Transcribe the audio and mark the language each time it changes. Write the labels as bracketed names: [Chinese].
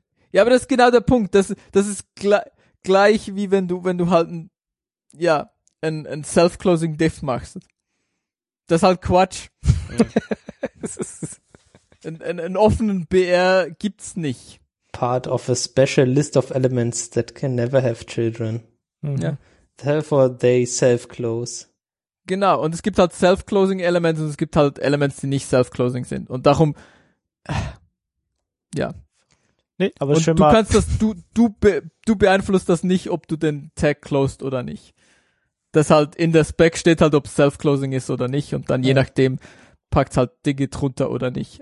[German] Ja, aber das ist genau der Punkt. Das ist gleich wie wenn du halt ein Self-Closing Diff machst. Das ist halt Quatsch. Einen offenen BR gibt's nicht. [English] Part of a special list of elements that can never have children. [German] Mhm. Ja. [English] Therefore they self-close. [German] Genau, und es gibt halt Self-Closing-Elements und es gibt halt Elements, die nicht Self-Closing sind. Und darum, ja. Nee, aber und schön du mal. Kannst das, du beeinflusst das nicht, ob du den Tag closed oder nicht. Das halt in der Spec steht halt, ob Self-Closing ist oder nicht und dann je nachdem packt halt Digit drunter oder nicht.